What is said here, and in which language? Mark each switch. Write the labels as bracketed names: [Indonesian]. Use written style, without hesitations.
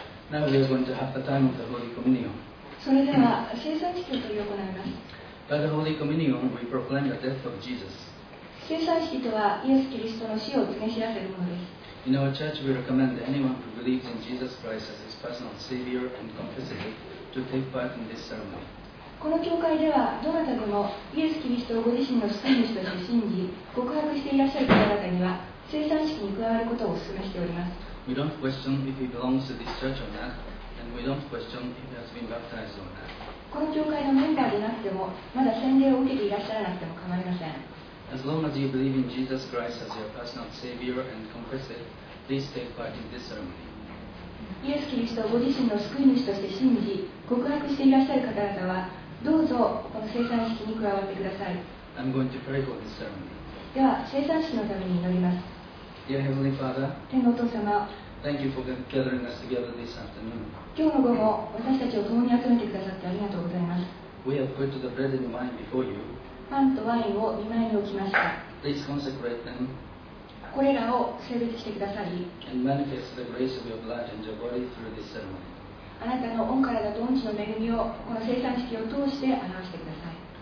[English] Now we are going to have the time of the Holy Communion. [Japanese] それでは聖餐式を執り行います。 [English] By the Holy Communion, we proclaim the death of Jesus. [Japanese] 聖餐式とはイエス・キリストの死を告げ知らせるものです。 [English] In our church, we recommend anyone who believes in Jesus Christ as his personal Savior and confesses it to take part in this ceremony. [Japanese] この教会ではどなたでもイエス・キリストをご自身の救い主として信じ、告白していらっしゃる方々には聖餐式に加わることをお勧めしております。 [English] We don't question if he belongs to this church or not, and we don't question if he has been baptized or not. [Japanese] この教会のメンバーでなくても、まだ洗礼を受けていらっしゃらなくても構いません。 [English] As long as you believe in Jesus Christ as your personal Savior and confess it, please take part in this ceremony. [Japanese] イエス・キリストをご自身の救い主として信じ、告白していらっしゃる方々は、どうぞこの聖餐式に加わってください。 [English] I'm going to pray for this ceremony. [Japanese] では、聖餐式のために祈ります。 [English] Dear Heavenly Father, [Japanese] 天のお父様、 [English] Thank you for gathering us together this afternoon. [Japanese] 今日の午後、私たちを共に集めてくださってありがとうございます。 [English] We have put the bread and wine before you. [Japanese] パンとワインを御前に置きました。 [English] Please consecrate them. [Japanese] これらを聖別してくださり、 [English] And manifest the grace of your blood and your body through this ceremony. [Japanese] あなたの御体と御血の恵みをこの聖餐式を通して表してください。